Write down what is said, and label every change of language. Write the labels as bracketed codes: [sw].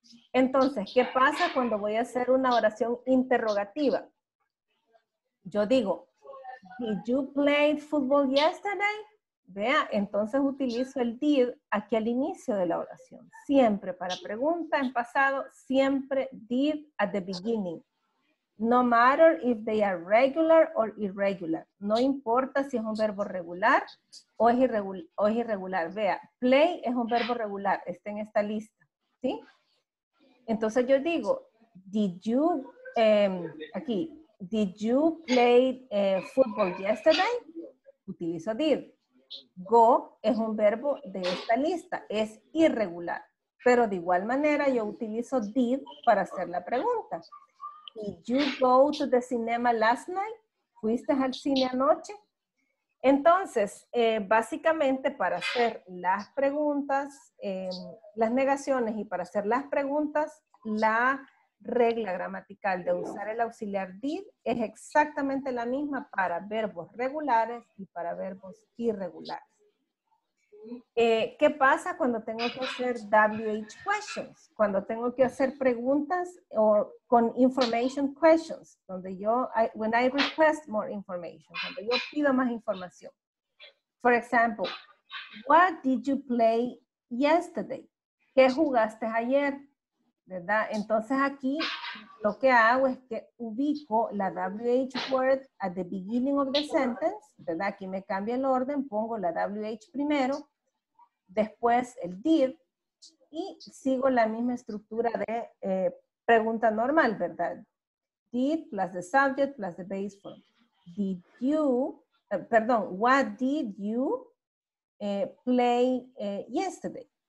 [es] Entonces, ¿qué pasa cuando voy a hacer una oración interrogativa? Yo digo, [en] did you play football yesterday? [es] Vea, entonces utilizo el did aquí al inicio de la oración. Siempre para pregunta en pasado, siempre [en] did at the beginning. No matter if they are regular or irregular. [es] No importa si es un verbo regular o es irregular. Vea, play es un verbo regular, está en esta lista. ¿Sí? Entonces yo digo, [en] did you [es] aquí, [en] did you play football yesterday? [es] Utilizo [en] did. [es] Go es un verbo de esta lista, es irregular. Pero de igual manera yo utilizo did para hacer la pregunta. [en] Did you go to the cinema last night? [es] ¿Fuiste al cine anoche? Entonces, básicamente para hacer las preguntas, las negaciones y para hacer las preguntas, la regla gramatical de usar el auxiliar did es exactamente la misma para verbos regulares y para verbos irregulares. ¿Qué pasa cuando tengo que hacer WH questions? Cuando tengo que hacer preguntas o con [en] information questions, [es] donde yo, [en] when I request more information, [es] cuando yo pido más información. [en] For example, what did you play yesterday? [es] ¿Qué jugaste ayer? ¿Verdad? Entonces aquí lo que hago es que ubico la WH word [en] at the beginning of the sentence, [es] ¿verdad? Aquí me cambia el orden, pongo la WH primero, después el did, y sigo la misma estructura de pregunta normal, ¿verdad? [en] Did plus the subject plus the base form. Did you, [es] perdón, [en] what did you play yesterday?